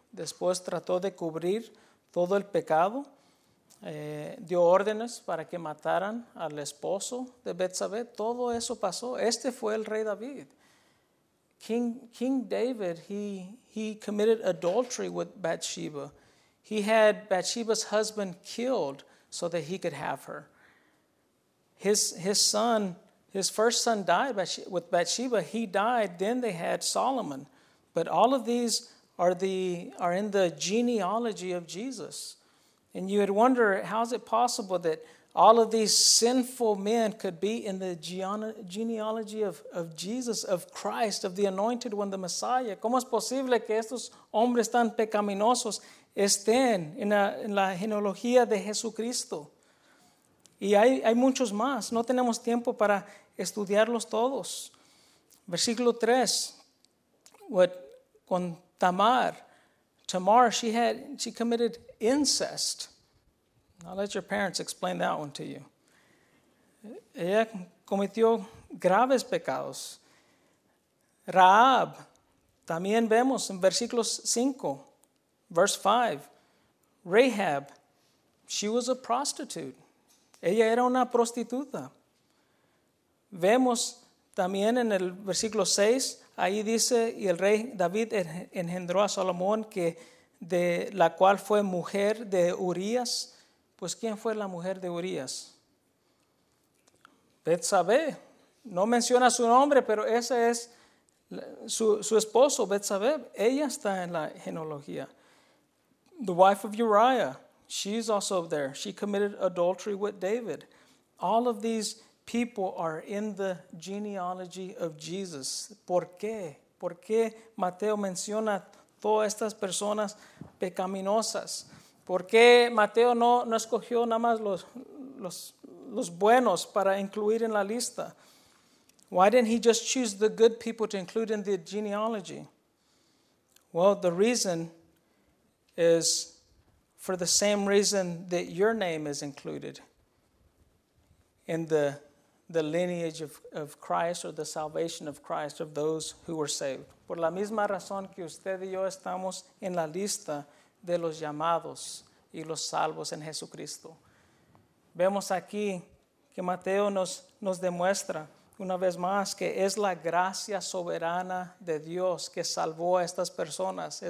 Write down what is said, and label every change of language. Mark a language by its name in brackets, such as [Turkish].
[Spanish] Después trató de cubrir todo el pecado. Dio órdenes para que mataran al esposo de Betsabé. Todo eso pasó. Este fue el rey David. [English] King David, he committed adultery with Bathsheba. He had Bathsheba's husband killed so that he could have her. His first son died with Bathsheba. He died. Then they had Solomon. But all of these are in the genealogy of Jesus. And you would wonder, how is it possible that all of these sinful men could be in the genealogy of Jesus, of Christ, of the anointed one, the Messiah? [Spanish] ¿Cómo es posible que estos hombres tan pecaminosos estén en la genealogía de Jesucristo? Y hay muchos más. No tenemos tiempo para estudiarlos todos. Versículo 3. Con Tamar, [English] she committed incest. I'll let your parents explain that one to you. [Spanish] Ella cometió graves pecados. Rahab, también vemos en versículos 5, [English] verse 5. Rahab, she was a prostitute. [Spanish] Ella era una prostituta. Vemos también en el versículo 6, ahí dice, y el rey David engendró a Salomón, que de la cual fue mujer de Urías. Pues, ¿quién fue la mujer de Urías? Betsabé. No menciona su nombre, pero ese es su esposo, Betsabé. Ella está en la genealogía. [English] The wife of Uriah, she's also there. She committed adultery with David. All of these people are in the genealogy of Jesus. [Spanish] ¿Por qué? ¿Por qué Mateo menciona todas estas personas pecaminosas? ¿Por qué Mateo no escogió nada más los buenos para incluir en la lista? [English] Why didn't he just choose the good people to include in the genealogy? Well, the reason is for the same reason that your name is included in the lineage of Christ, or the salvation of Christ, of those who were saved. [Spanish] Por la misma razón que usted y yo estamos en la lista de los llamados y los salvos en Jesucristo. Vemos aquí que Mateo nos demuestra una vez más que es la gracia soberana de Dios que salvó a estas personas.